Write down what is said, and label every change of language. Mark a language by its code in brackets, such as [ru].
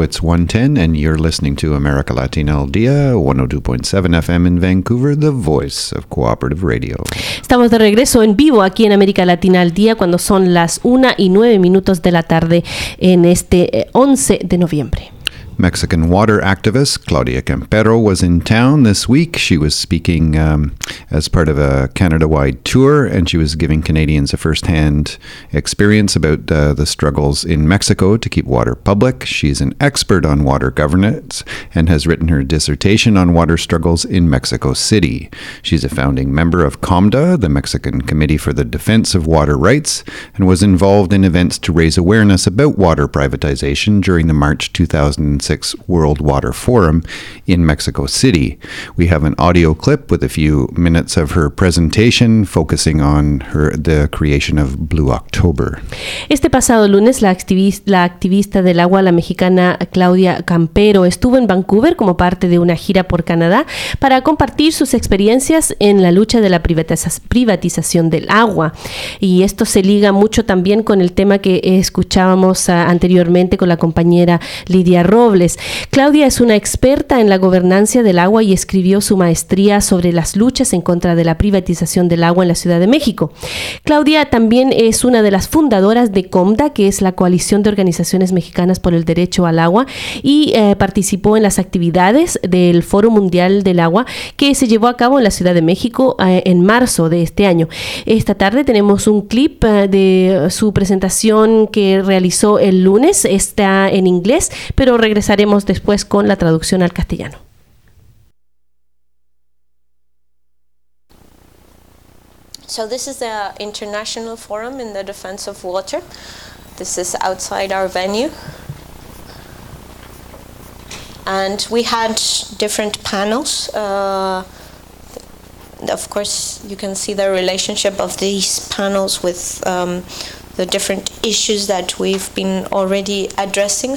[en] It's 1:10 and you're listening to America Latina al Día, 102.7 FM in Vancouver, the voice of cooperative radio. [es] Estamos de regreso en vivo aquí en América Latina al Día cuando son las 1:09 de la tarde en este 11 de noviembre. [en] Mexican water activist Claudia Campero was in town this week. She was speaking as part of a Canada-wide tour, and she was giving Canadians a first-hand experience about the struggles in Mexico to keep water public. She's an expert on water governance and has written her dissertation on water struggles in Mexico City. She's a founding member of COMDA, the Mexican Committee for the Defense of Water Rights, and was involved in events to raise awareness about water privatization during the March 2000. World Water Forum in Mexico City. We have an audio clip with a few minutes of her presentation focusing on the creation of Blue October. [es] Este pasado lunes, la activista del agua, la mexicana Claudia Campero, estuvo en Vancouver como parte de una gira por Canadá para compartir sus experiencias en la lucha de la privatización del agua. Y esto se liga mucho también con el tema que escuchábamos anteriormente con la compañera Lidia Ro. Claudia es una experta en la gobernanza del agua y escribió su maestría sobre las luchas en contra de la privatización del agua en la Ciudad de México. Claudia también es una de las fundadoras de COMDA, que es la Coalición de Organizaciones Mexicanas por el Derecho al Agua, y participó en las actividades del Foro Mundial del Agua que se llevó a cabo en la Ciudad de México en marzo de este año. Esta tarde tenemos un clip de su presentación que realizó el lunes. Está en inglés, pero regresaremos después con la traducción al castellano. [en] So this is the International Forum in the Defense of Water. This is outside our venue. And we had different panels. Of course, you can see the relationship of these panels with the different issues that we've been already addressing.